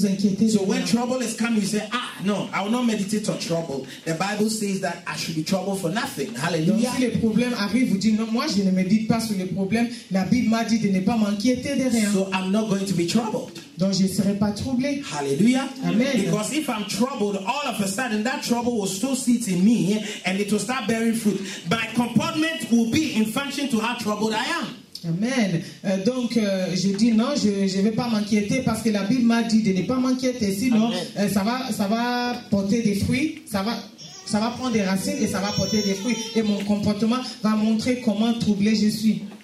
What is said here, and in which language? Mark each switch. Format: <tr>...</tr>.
<en>so when trouble is coming, you say, ah, no, I will not meditate on trouble. The Bible says that I should be troubled for nothing. Hallelujah.</en> <fr>Si le problème arrive, vous dites, non, moi je ne médite pas sur le problème. La Bible m'a dit de ne pas m'inquiéter de rien.</fr> <en>So I'm not going to be troubled.</en> <fr>Donc je ne serai pas troublé. Hallelujah. Amen.</fr> <en>Because if I'm troubled, all of a sudden that trouble will still sit in me and it will start bearing fruit. My comportment will be in function to how troubled I am. Amen.</en> <fr>Je dis non, je ne vais pas m'inquiéter parce que la Bible m'a dit de ne pas m'inquiéter, sinon ça va porter des fruits, ça va prendre des racines et ça va porter des fruits. Et mon comportement va montrer comment troublé je suis.</fr>